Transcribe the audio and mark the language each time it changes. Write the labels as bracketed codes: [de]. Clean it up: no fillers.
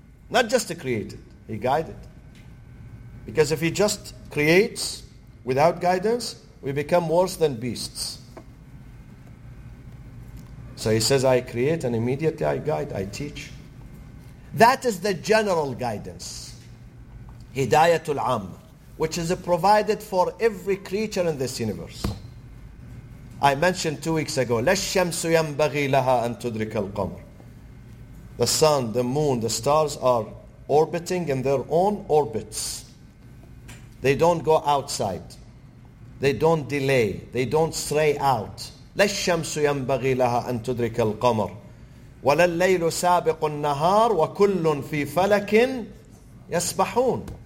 [en] Not just created, he guided. Because if he just creates without guidance, we become worse than beasts. So he says, I create and immediately I guide, I teach. That is the general guidance. Hidayatul Am, which is provided for every creature in this universe. I mentioned 2 weeks ago, [ar] لَشَّمْسُ يَنْبَغِي لَهَا أَن تُدْرِكَ الْقَمْرِ. [en] The sun, the moon, the stars are orbiting in their own orbits. They don't go outside. They don't delay. They don't stray out. [ar] لَشَّمْسُ يَنْبَغِي لَهَا أَن تُدْرِكَ الْقَمْرِ. وَلَا اللَّيْلُ سَابِقُ النَّهَارِ وَكُلٌّ فِي فَلَكٍ يَسْبَحُونَ.